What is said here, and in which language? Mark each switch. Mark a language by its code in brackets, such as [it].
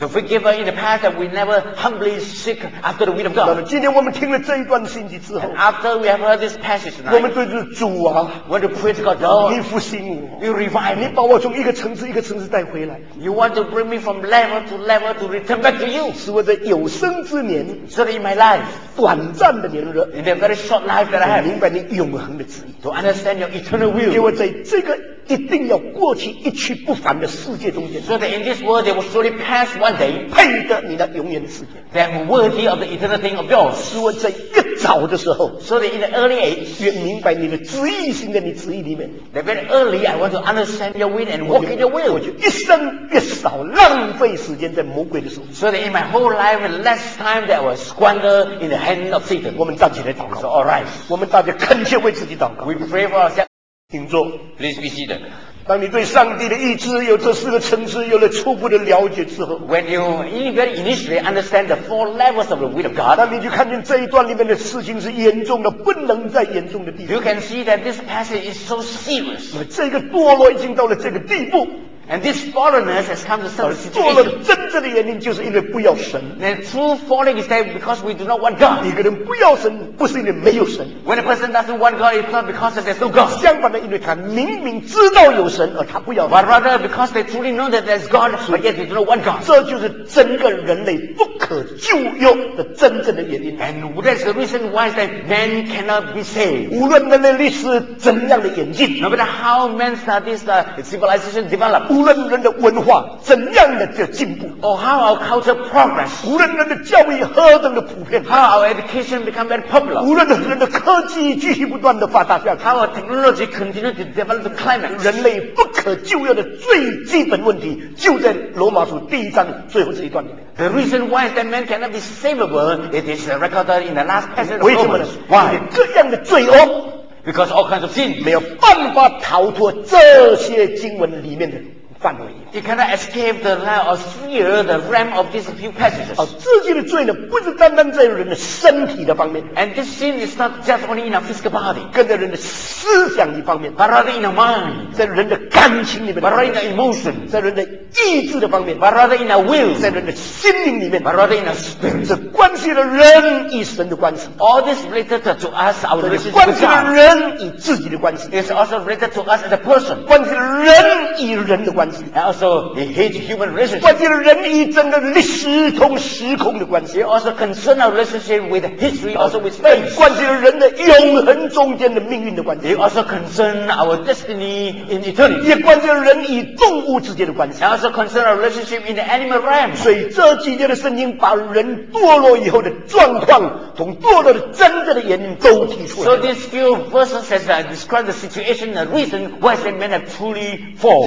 [en] To forgive us in the past that we never humbly seek after the will of God。 [zh] 今天我们听了这一段信息之后 [en] And after we have heard this passage tonight, [zh] 我们对着主啊 [en] we want to pray to God, [zh] 你复兴我 [en] you revive me. [zh] 你把我从一个层次一个层次带回来 [en] you want to bring me from level to level to return back to you [zh] 使我的有生之年 [en] so that in my life [zh] 短暂的年日 [en] in the very short life that I have [zh] 明白你永恒的旨意 [en] to understand your eternal will [zh] 给我在这个一定要过去一去不返的世界中间 [en] so that in this world they will surely pass one day [zh] 配得你的永远的世界 [en] that worthy of the eternal thing of yours [zh] 使我在一早的时候 [en] so that in the early age [zh] 越明白你的旨意行在你旨意里面 [en] that very early I want to understand your will and walk in your will [zh] 我就一生越少浪费时间在魔鬼的手 [en] so that in my whole life less time that I will squander in the hand of Satan [zh] 我们站起来祷告 [en] so alright [zh] 我们大家恳切为自己祷告 [en] we pray for ourselves [zh] 请坐 [en] Please be seated. [zh] 当你对上帝的意志有这四个层次有了初步的了解之后 [en] When you very initially understand the four levels of the will of God [zh] 当你就看见这一段里面的事情是严重的不能再严重的地步 [en] You can see that this passage is so serious [zh] 这个堕落已经到了这个地步 [en] And this fallenness has come to such a situation [zh] 堕落的真正的原因就是因为不要神 [en] And true falling is that because we do not want God [zh] 一个人不要神不是因为没有神 [en] When a person doesn't want God it's not because there's no God [zh] 相反的因为他明明知道有神而他不要 [en] But rather because they truly know that there's God but yet they do not want God [zh] 这就是整个人类不可救药的真正的原因 [en] And that's the reason why that man cannot be saved [zh] 无论人类历史怎样的演进 [en] No matter how man studies the civilization develop [zh] 无论人的文化怎样的进步 [en] Or how our culture progress [zh] 无论人的教育何等的普遍 [en] How our education become very popular [zh] 无论人的科技继续不断的发达下去 [en] How our technology continue to develop the climate [zh] 人类不可救药的最基本问题就在罗马书第一章最后这一段里面 [en] The reason why that man cannot be savable It is recorded in the last passage of Romans [zh] 为什么呢 [en] Why [zh] 因为这样的罪恶 [en] Because all kinds of sin [zh] 没有办法逃脱这些经文里面的范围 [en] He cannot escape the realm of fear the realm of these few passages [zh] 自己的罪呢不是单单在人的身体的方面 [en] And this sin is not just only in our physical body [zh] 跟在人的思想的方面 [en] But rather in our mind [zh] 在人的感情里面 [en] But rather in our emotion [zh] 在人的意志的方面 [en] But rather in our will [zh] 在人的心灵里面 [en] But rather in our spirit [zh] 这关系了人与神的关系 [en] All this related to us our relationship with God [zh] 关系了人与自己的关系 [en] It's also related to us as a person [zh] 关系了人与人的关系 [en] And also, he hates human relationship. [zh] 人与整个历史同时空的关系。 [en] He also concerns our relationship with history, also with space. [zh] 关系人的永恒中间的命运的关系。 [en] He also concerns our destiny in eternity. [zh] 也关系人与动物之间的关系。 [en] He also also concern a relationship in the animal realm. [zh] 所以这几节的圣经把人堕落以后的状况，从堕落的真正的原因都提出来。 [en] So these few verses has described the situation, the reason why the man have truly fallen.